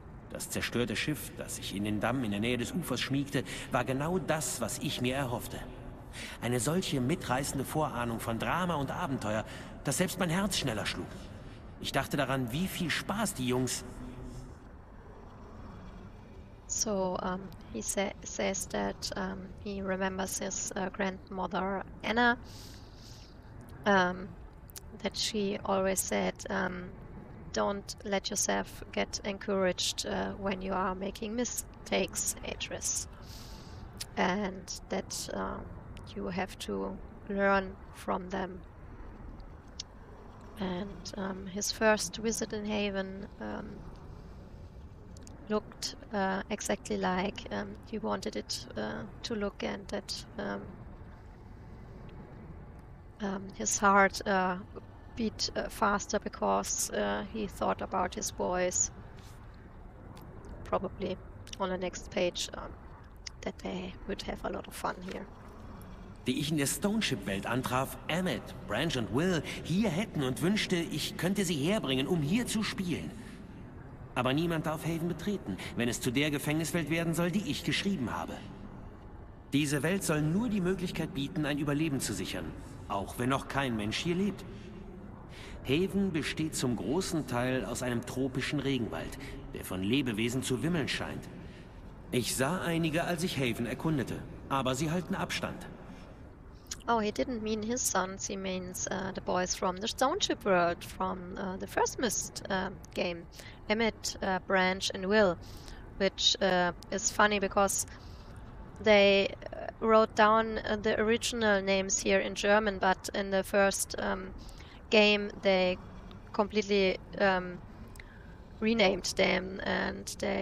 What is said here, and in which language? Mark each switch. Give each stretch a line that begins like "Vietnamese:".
German: Das zerstörte Schiff, das sich in den Damm in der Nähe des Ufers schmiegte, war genau das, was ich mir erhoffte. Eine solche mitreißende Vorahnung von Drama und Abenteuer, dass selbst mein Herz schneller schlug. Ich dachte daran, wie viel Spaß die Jungs.
English: So, he says that he remembers his grandmother Anna, that she always said, don't let yourself get encouraged when you are making mistakes, Atris. And that you have to learn from them. And his first visit in Haven looked exactly like he wanted it to look, and that His heart beat faster because he thought about his boys. Probably on the next page that they would have a lot of fun here.
German: Wie ich in der Stoneship-Welt antraf, Emmett, Branch und Will hier hätten und wünschte, ich könnte sie herbringen, um hier zu spielen. Aber niemand darf Haven betreten, wenn es zu der Gefängniswelt werden soll, die ich geschrieben habe. Diese Welt soll nur die Möglichkeit bieten, ein Überleben zu sichern, auch wenn noch kein Mensch hier lebt. Haven besteht zum großen Teil aus einem tropischen Regenwald, der von Lebewesen zu wimmeln scheint. Ich sah einige, als ich Haven erkundete, aber sie halten Abstand.
English: Oh, he didn't mean his sons, he means the boys from the Stoneship world, from the first Myst game. Emmett, Branch and Will, which is funny because they wrote down the original names here in German, but in the first game they completely renamed them, and